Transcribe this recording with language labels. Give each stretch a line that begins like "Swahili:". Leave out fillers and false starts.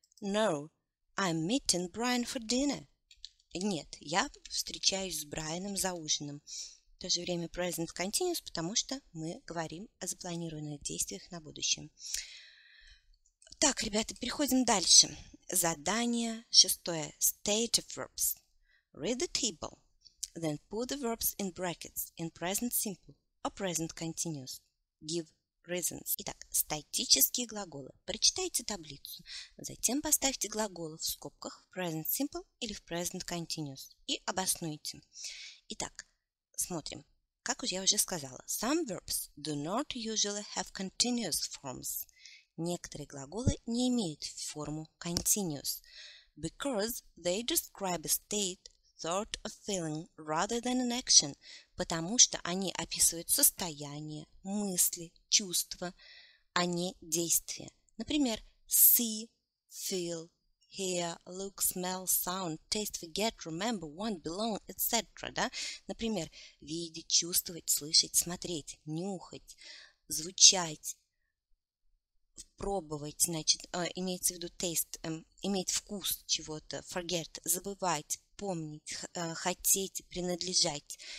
English: No, I'm meeting Brian for dinner.
Russian: Нет, я встречаюсь с Брайаном за ужином. В то же время present continuous, потому что мы говорим о запланированных действиях на будущем. Так, ребята, переходим дальше. Задание шестое.
English: State of verbs. Read the table. Then put the verbs in brackets in present simple or present continuous. Give reasons.
Russian: Итак, статические глаголы. Прочитайте таблицу. Затем поставьте глаголы в скобках в present simple или в present continuous. И обоснуйте. Итак, смотрим. Как я уже сказала,
English: some verbs do not usually have continuous forms.
Russian: Некоторые глаголы не имеют форму continuous.
English: Because they describe a state, thought or feeling rather than an action.
Russian: Потому что они описывают состояние, мысли, чувства, а не действия. Например,
English: see, feel, hear, look, smell, sound, taste, forget, remember, want, belong, etc.
Russian: Да? Например, видеть, чувствовать, слышать, смотреть, нюхать, звучать, пробовать, значит, имеется в виду taste, иметь вкус чего-то, forget, забывать, помнить, хотеть, принадлежать.